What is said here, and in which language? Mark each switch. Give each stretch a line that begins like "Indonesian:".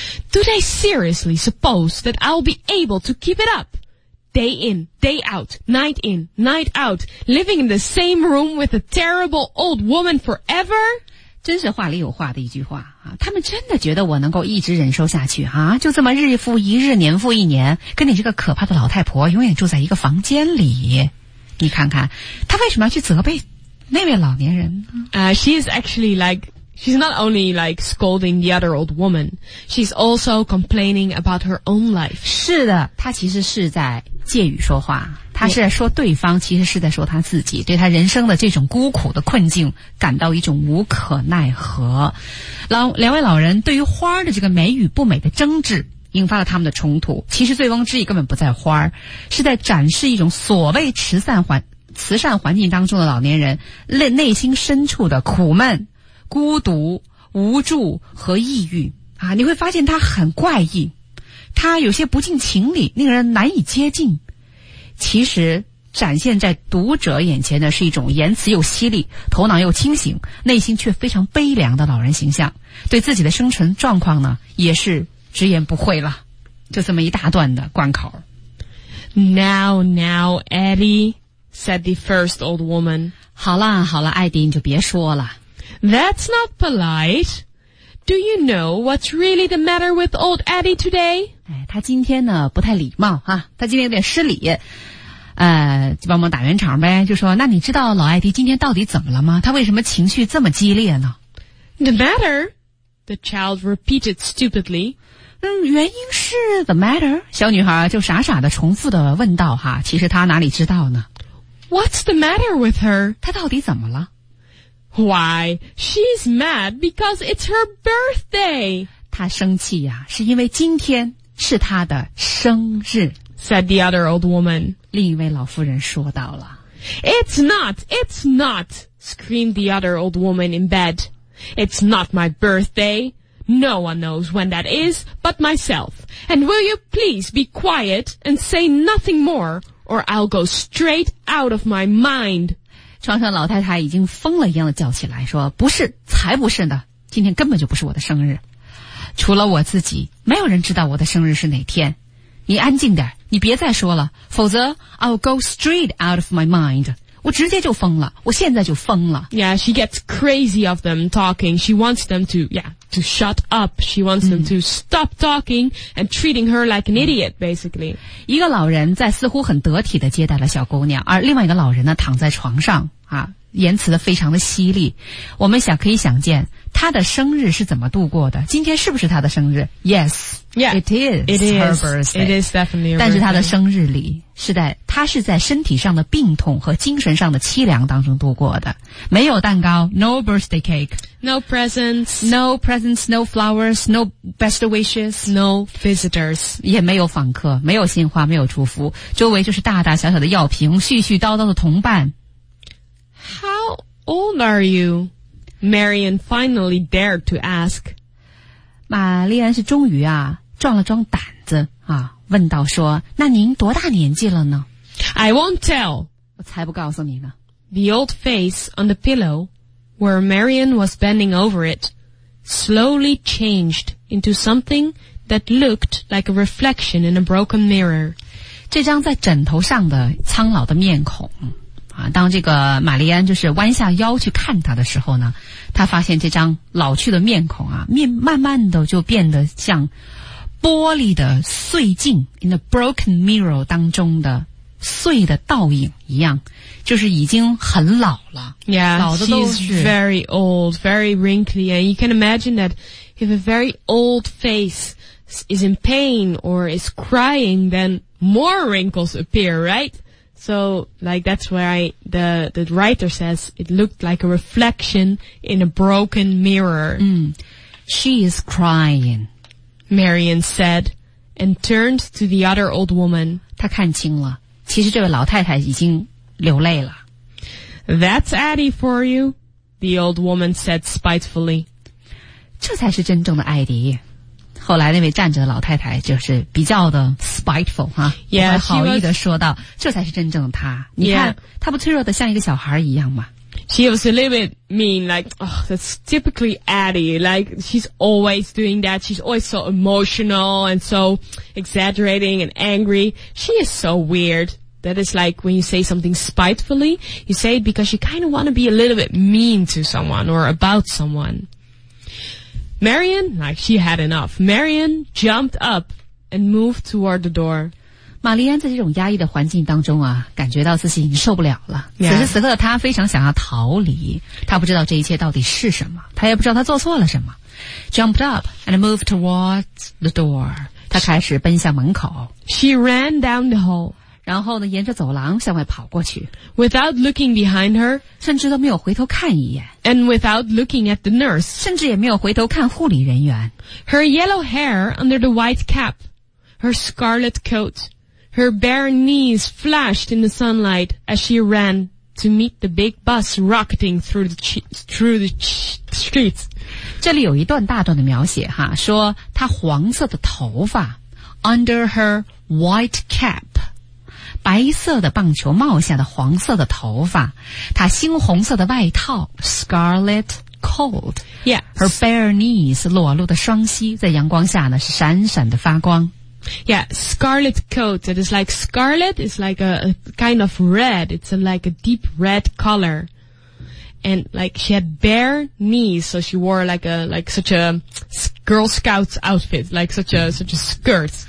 English: Do they seriously suppose that I'll be able to keep it up? Day in, day out, night in, night out, living in the same room with a terrible old woman forever?
Chinese: 真是话里有话的一句话啊！他们真的觉得我能够一直忍受下去啊？就这么日复一日，年复一年，跟你这个可怕的老太婆永远住在一个房间里。你看看他为什么要去责备那位老年人啊、she is actually like, she's not only like scolding the other old woman, she's also complaining about her own life. 是的，他其实是在借语说话，他是在说对方，其实是在说他自己，对他人生的这种孤苦的困境感到一种无可奈何。两位老人对于花的这个美与不美的争执引发了他们的冲突。其实醉翁之意根本不在花，是在展示一种所谓慈善环境当中的老年人内心深处的苦闷、孤独、无助和抑郁啊。你会发现他很怪异，他有些不近情理，令人难以接近。其实展现在读者眼前的是一种言辞又犀利、头脑又清醒、内心却非常悲凉的老人形象，对自己的生存状况呢也是直言不讳了。就这么一大段的贯口。
English: Now, Eddie, said the first old woman.
Chinese: 好啦，艾迪，你就别说了。
English: That's not polite. Do you know what's really the matter with old Eddie today?
Chinese: 他今天呢不太礼貌哈，他今天有点失礼，就帮忙打圆场呗，就说那你知道老艾迪今天到底怎么了吗？他为什么情绪这么激烈呢？
English: The matter, the child repeated stupidly.
Chinese: 原因是
English: the matter?
Chinese: 小女孩就傻傻的重复的问道哈，其实她哪里知道呢？
English: What's the matter with her?
Chinese: 她到底怎么了？
English: Why, she's mad because it's her birthday.
Chinese: 她生气呀，是因为今天是她的生日。
English: Said the other old woman.
Chinese: 另一位老妇人说到了。
English: It's not, screamed the other old woman in bed. It's not my birthday. No one knows when that is but myself. And will you please be quiet and say nothing more, or I'll go straight out of my mind.
Chinese: 床上老太太已经疯了一样的叫起来，说不是，才不是呢，今天根本就不是我的生日。除了我自己，没有人知道我的生日是哪天。你安静点，你别再说了，否则
English: I'll go straight out of my mind.
Chinese: 我直接就疯了，我现在就疯了。
English: Yeah, she gets crazy of them talking. She wants them to shut up. She wants them to stop talking and treating her like an idiot, basically.
Chinese: 一个老人在似乎很得体地接待了小姑娘，而另外一个老人呢躺在床上啊，言辞的非常的犀利。我们想可以想见他的生日是怎么度过的，今天是不是他的生日？
English: Yes, yeah, it is her birthday. It is definitely her birthday.
Chinese: 但是他的生日里是在他是在身体上的病痛和精神上的凄凉当中度过的。没有蛋糕，
English: No birthday cake. No presents, no flowers, no best wishes, no visitors.
Chinese: 也没有访客，没有鲜花，没有祝福，周围就是大大小小的药瓶，絮絮叨叨的同伴。
English: How old are you? Marianne finally dared to ask.
Chinese: 玛丽安是终于啊壮了壮胆子啊，问道说那您多大年纪了呢？
English: I won't tell.
Chinese: 我才不告诉你呢。
English: The old face on the pillow where Marianne was bending over it slowly changed into something that looked like a reflection in a broken mirror.
Chinese: 这张在枕头上的苍老的面孔啊，当这个玛丽安就是弯下腰去看他的时候呢，他发现这张老去的面孔啊，面慢慢的就变得像玻璃的碎镜
English: in the broken mirror
Chinese: 当中的碎的倒影一样，就是已经很老了。
English: Yeah,
Chinese: 老的都是
English: she's very old, very wrinkly, and you can imagine that if a very old face is in pain or is crying, then more wrinkles appear, right? So, like, that's why the writer says it looked like a reflection in a broken mirror. She is crying, Marianne said, and turned to the other old woman.
Chinese: 她看清了，其实这位老太太已经流泪了。
English: That's Eddie for you, the old woman said spitefully.
Chinese: 这才是真正的艾迪。后来那位站着的老太太就是比较的 spiteful 哈，不怀好意的说道，这才是真正的她。你看，她不脆弱的像一个小孩一样吗？
English: She was a little bit mean, like, oh, that's typically Eddie. Like, she's always doing that. She's always so emotional and so exaggerating and angry. She is so weird. That is like when you say something spitefully, you say it because you kind of want to be a little bit mean to someone or about someone. Marianne, like she had enough. Marianne jumped up and moved toward the door.
Chinese: 玛丽安在这种压抑的环境当中啊，感觉到自己已经受不了了。
English: Yeah.
Chinese: 此时此刻她非常想要逃离，她不知道这一切到底是什么，她也不知道她做错了什么。
English: Jumped up and moved towards the door.
Chinese: 她开始奔向门口。
English: She ran down the hall.
Chinese: 然后呢，沿着走廊向外跑过去。
English: Without looking behind her,
Chinese: 甚至都没有回头看一眼。
English: And without looking at the nurse,
Chinese: 甚至也没有回头看护理人员。
English: Her yellow hair under the white cap, her scarlet coat, her bare knees flashed in the sunlight as she ran to meet the big bus rocketing through the streets.
Chinese: 这里有一段大段的描写哈，说她黄色的头发 ，
English: under her white cap。
Chinese: 白色的棒球帽下的黄色的头发，她猩红色的外套 ，
English: scarlet coat， yeah， her bare knees，
Chinese: 裸露的双膝在阳光下呢是闪闪的发光。
English: Yeah, scarlet coat. It is like scarlet is like a kind of red. It's a, like a deep red color, and like she had bare knees, so she wore like such a Girl Scouts outfit, like such a skirt.